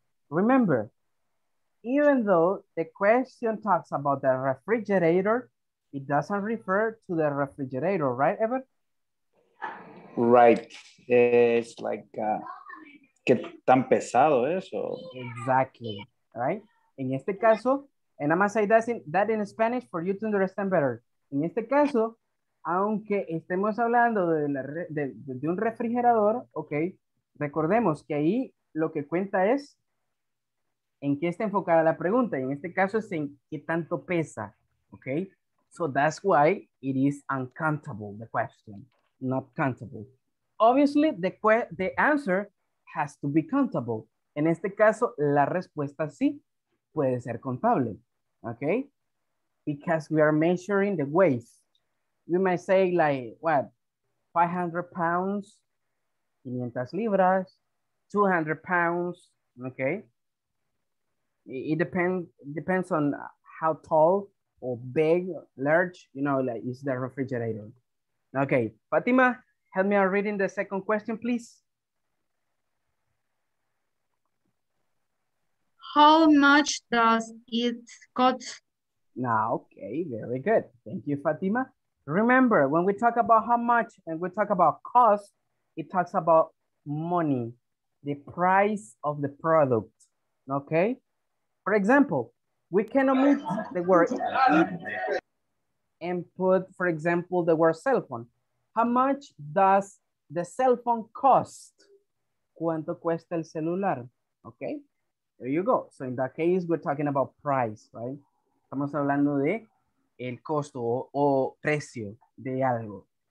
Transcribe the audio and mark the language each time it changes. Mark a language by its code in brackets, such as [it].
[en] Remember, even though the question talks about the refrigerator, it doesn't refer to the refrigerator, right, Ever? Right, it's like, [es] ¿qué tan pesado eso? [en] Exactly, right? [es] En este caso, [en] and I'm gonna say that in Spanish for you to understand better. [es] En este caso, aunque estemos hablando de un refrigerador, okay, recordemos que ahí lo que cuenta es en qué está enfocada la pregunta. Y en este caso es en qué tanto pesa, okay? [en] So that's why it is uncountable, the question, not countable. Obviously, the answer has to be countable. [es] En este caso, la respuesta sí puede ser contable. [en] Okay, because we are measuring the weight. You might say like, what, 500 pounds, [es] 500 libras, [en] 200 pounds, okay? It depends on how tall or big, large, you know, like is the refrigerator. Okay, Fatima, help me out reading the second question, please. How much does it cost? Now, okay, very good. Thank you, Fatima. Remember, when we talk about how much and we talk about cost, it talks about money, the price of the product, okay? For example, we can omit the word and put, for example, the word cell phone. How much does the cell phone cost? [es] ¿Cuánto cuesta el celular? [en] Okay. There you go. So in that case, we're talking about price, right? [es] Estamos hablando de el costo o precio de algo.